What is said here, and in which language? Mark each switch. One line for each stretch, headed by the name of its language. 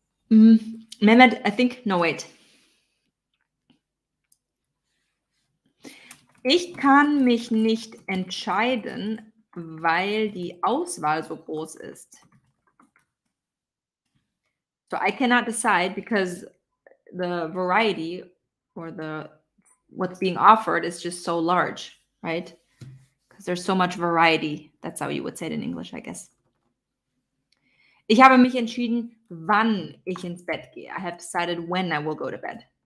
English: Mehmet, I think, no wait.
German: Ich kann mich nicht entscheiden, weil die Auswahl so groß ist.
English: So I cannot decide because the variety or the what's being offered is just so large, right? Because there's so much variety. That's how you would say it in English, I guess.
German: Ich habe mich entschieden, wann ich ins Bett gehe.
English: I have decided when I will go to bed.